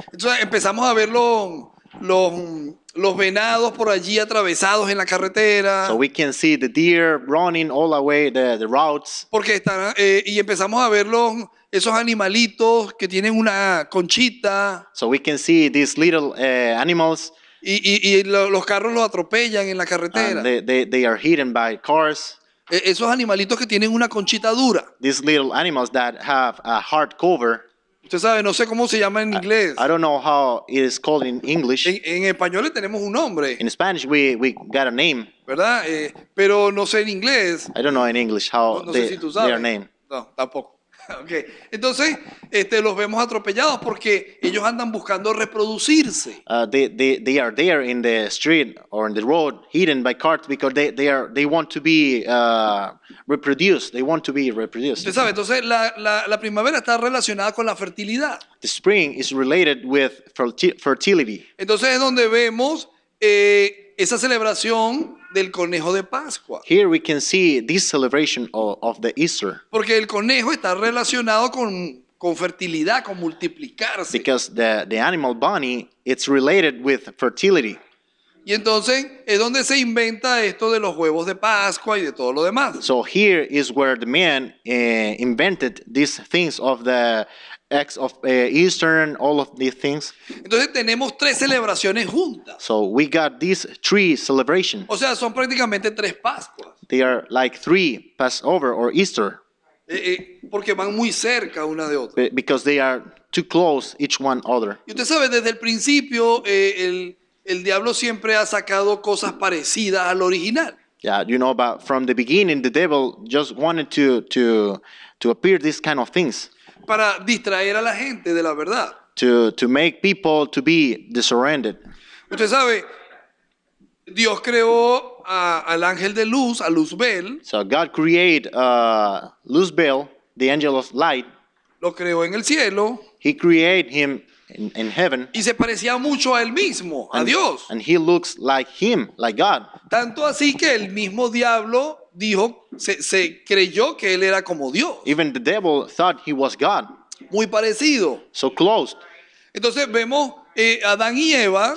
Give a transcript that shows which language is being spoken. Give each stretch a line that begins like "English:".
Spanish: Entonces empezamos a ver los venados por allí atravesados en la carretera.
English: So we can see the deer running all away the routes.
Spanish: Porque están y empezamos a verlo. Esos animalitos que tienen una conchita.
English: So we can see these little animals.
Spanish: Y los carros los atropellan en la carretera.
English: They are hidden by cars.
Spanish: Esos animalitos que tienen una conchita dura.
English: These little animals that have a hard cover.
Spanish: Usted sabe, no sé cómo se llama en inglés.
English: I don't know how it is called in English.
Spanish: En español le tenemos un nombre.
English: In Spanish we got a name.
Spanish: ¿Verdad? Pero no sé en inglés.
English: I don't know in English how their name.
Spanish: No, tampoco.
English: Okay.
Spanish: Entonces, los vemos atropellados porque ellos andan buscando reproducirse.
English: They are there in the street or in the road, hidden by carts because they want to be reproduced. They want to be reproduced.
Spanish: ¿Usted sabe? Entonces, la primavera está relacionada con la fertilidad.
English: The spring is related with fertility.
Spanish: Entonces es donde vemos esa celebración del conejo de Pascua.
English: Here we can see this celebration of the Easter.
Spanish: Porque el conejo está relacionado con fertilidad, con multiplicarse.
English: Because the animal bunny, it's related with fertility.
Spanish: Y entonces es donde se inventa esto de los huevos de Pascua y de todo lo demás.
English: So here is where the man invented these things of the eggs of Easter and all of these things.
Spanish: Entonces tenemos tres celebraciones juntas.
English: So we got these three celebrations.
Spanish: O sea, son prácticamente tres Pascuas.
English: They are like three Passover or Easter.
Spanish: Porque van muy cerca una de otra.
English: Because they are too close each one other.
Spanish: Y usted sabe, desde el principio el diablo siempre ha sacado cosas parecidas al original.
English: Yeah, you know, but from the beginning the devil just wanted to appear these kind of things.
Spanish: Para distraer a la gente de la verdad.
English: To make people to be disoriented.
Spanish: Usted sabe, Dios creó al ángel de luz, a Luzbel.
English: So God created Luzbel, the angel of light.
Spanish: Lo creó en el cielo.
English: He created him in heaven.
Spanish: Y se parecía mucho a él mismo, a Dios.
English: And he looks like him, like God.
Spanish: Tanto así que el mismo diablo dijo, se creyó que él era como Dios.
English: Even the devil thought he was God.
Spanish: Muy parecido.
English: So close.
Spanish: Entonces vemos Adán y Eva.